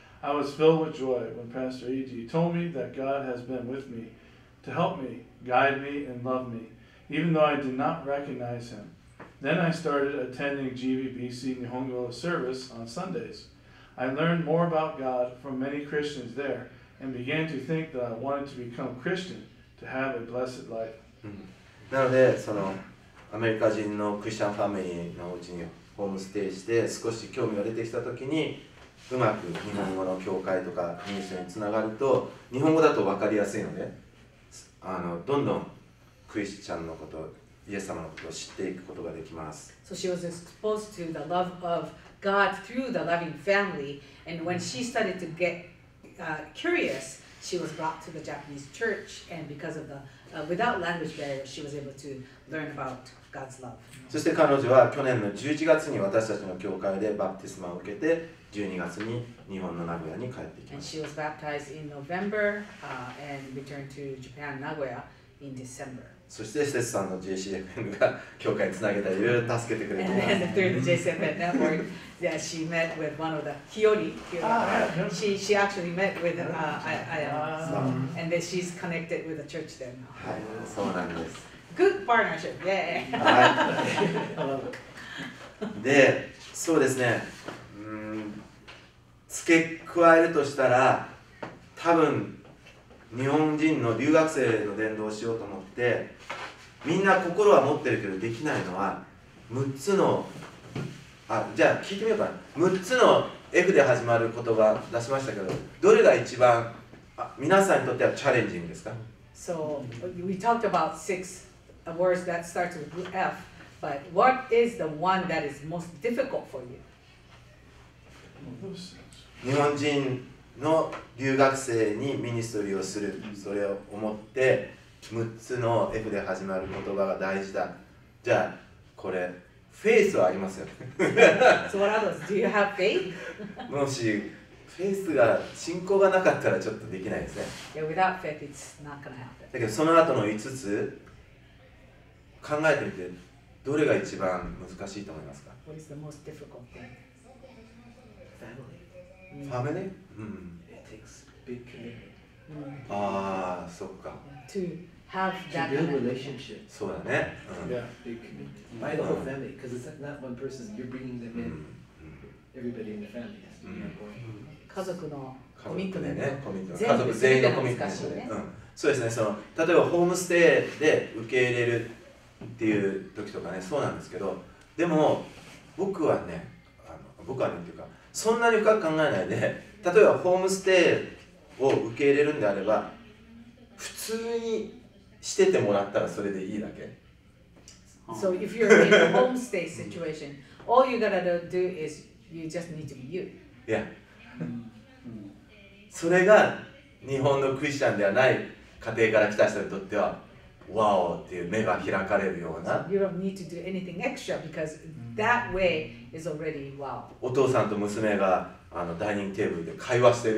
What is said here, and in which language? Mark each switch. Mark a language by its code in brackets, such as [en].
[en] I was filled with joy when Pastor Eiji told me that God has been with me to help me, guide me, and love me, even though I did not recognize Him. Then I started attending GBBC Nihongo service on Sundays. I learned more about God from many Christians there and began to think that I wanted to become Christian to have a blessed life. [ja] なのでそのアメリカ人のクリスチャンファミリーのうちにホームステイして少し興味が出てきた時にうまく日本語の教会とかミッションにつながると日本語だと分かりやすいのでどんどんクリスチャンのことイエス様のことを知っていくことができます。 [en] So she was exposed to the love of God through the loving family, and when she started to get curious, she was brought to the Japanese church, and because of the without language barrier, she was able to learn about God's love. [ja] そして彼女は去年の11月に私たちの教会でバプティスマを受けて、12月に日本の名古屋に帰ってきました。 [en] And she was baptized in November, and returned to Japan, Nagoya, in December. [ja] そして、セスさんの JCFN が教会につなげたり、いろいろ助けてくれています。 [en] And through the JCFN network, yeah, she met with one of the Hiyori. She actually met with Ayano. And then she's connected with the church there now. [ja] はい、そうなんです。 [en] Good partnership, yay! [ja] はい。で、そうですね、付け加えるとしたら、多分、日本人の留学生の伝道をしようと思って、みんな心は持ってるけどできないのは6つの、じゃあ聞いてみようかな。 6つの F で始まる言葉出しましたけど、どれが一番皆さんにとってはチャレンジングですか？ [en] So, we talked about 6 words that start with F, but what is the one that is most difficult for you? [ja] 日本人の留学生にミニストリーをする、それを思って6つの F で始まる言葉が大事だ。じゃあこれフェイスはありますよ。 [en] So what others? Do you have faith? [ja] もしフェイスが、信仰がなかったらちょっとできないですね。 [en] Yeah, without faith, it's not gonna happen. [ja] だけどその後の5つ考えてみて、どれが一番難しいと思いますか？ [en] What is the most difficult thing? Family. Family? It takes big commitment. [ja] ああ、そっか。 [en] To have that to build relationship. [ja] そうだね。 [en] Yeah, big commitment. By the whole family, because it's not one person, you're bringing them in. Everybody in the family has to be involved. [ja] 家族のコミットメント。家族全員のコミットメント。そうですね、その、例えばホームステイで受け入れるっていう時とかね、そうなんですけど、でも僕はね、僕はねっていうか、そんなに深く考えないで、例えばホームステイを受け入れるんであれば、普通にしててもらったらそれでいいだけ。 [en] So if you're in a home stay situation, all you gotta do is you just need to be you. Yeah. [ja] それが日本のクリスチャンではない家庭から来た人にとっては。わおっていう目が開かれるような。 [en] So、you don't need to do anything extra because that way is already wow. [ja] お父さんと娘がダイニングテーブルで会話してる。